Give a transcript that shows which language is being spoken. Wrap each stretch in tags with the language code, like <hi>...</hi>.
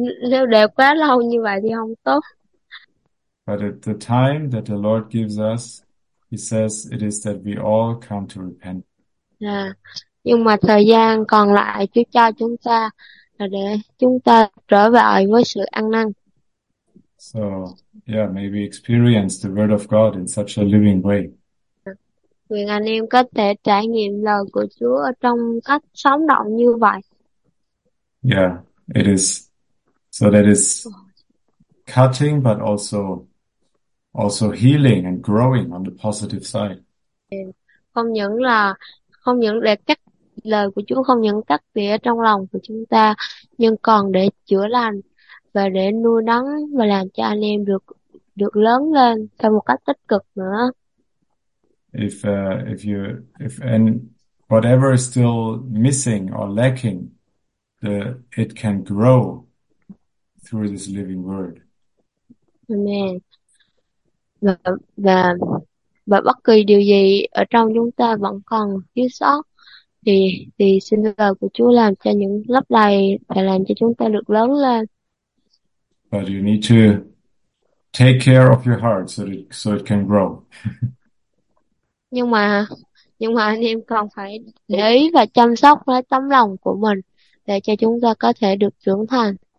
<vi>Nếu để quá lâu như vậy thì không tốt.</vi> <en>But at the time that the Lord gives us, he says it is that we all come to repent.</en> <vi>Nhưng mà thời gian còn lại Chúa cho chúng ta là để chúng ta trở về với sự ăn năn.</vi> <en>So, yeah, maybe experience the word of God in such a living way.</en> <vi>Quyền anh em có thể trải nghiệm lời của Chúa ở trong cách sống động như vậy.</vi> <en>Yeah, it is. So that is cutting, but also healing and growing on the positive side.</en> <vi>Không những để cắt lời của Chúa, không những cắt tỉa trong lòng của chúng ta, nhưng còn để chữa lành và để nuôi nấng và làm cho anh em được được lớn lên theo một cách tích cực nữa.</vi> <en>If and whatever is still missing or lacking, the it can grow through this living word. Amen.</en> <vi>Và bất kỳ điều gì ở trong chúng ta vẫn còn thiếu sót thì xin lời của Chúa làm cho những lấp đầy và làm cho chúng ta được lớn lên.</vi> <en>But you need to take care of your heart so it can grow.</en> <vi>Nhưng mà anh em còn phải để ý và chăm sóc lấy tấm lòng của mình để cho chúng ta có thể được trưởng thành.</vi>